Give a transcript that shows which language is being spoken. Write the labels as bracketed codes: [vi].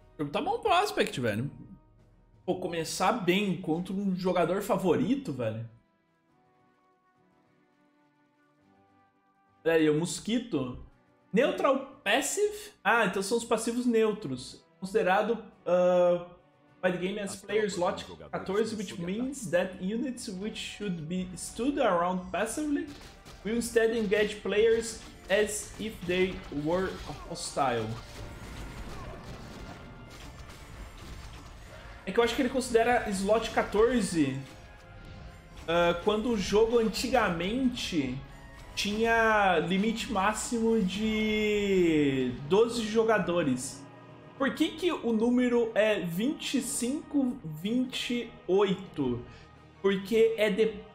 [pt] Tá bom prospect, velho. Pô, começar bem contra um jogador favorito, velho. Peraí, o mosquito. [en] Neutral passive? [pt] Ah, então são os passivos neutros. [en] considerado by the game as player slot 14, which means that units which should be stood around passively will instead engage players as if they were hostile. [pt] É que eu acho que ele considera slot 14 quando o jogo antigamente tinha limite máximo de 12 jogadores. Por que que o número é 25-28? Porque é de...